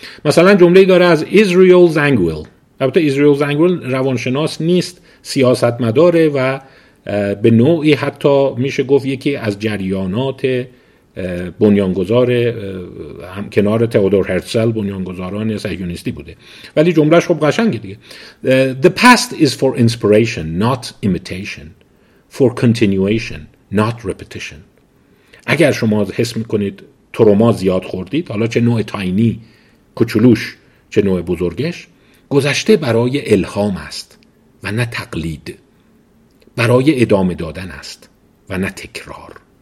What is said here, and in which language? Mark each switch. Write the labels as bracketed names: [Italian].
[Persian] مثلا جمله‌ای داره از اسرائیل زنگویل. البته اسرائیل زنگویل روانشناس نیست، سیاستمداره و به نوعی حتی میشه گفت یکی از جریانات بنیانگذار هم کنار تئودور هرتزل بنیانگذاران صهیونیستی بوده، ولی جمله‌اش خب قشنگه دیگه. [English] The past is for inspiration not imitation, for continuation not repetition. [Persian] اگر شما حس میکنید تروما زیاد خوردید، حالا چه نوع تاینی کوچولوش چه نوع بزرگش، گذشته برای الهام است و نه تقلید، برای ادامه دادن است و نه تکرار.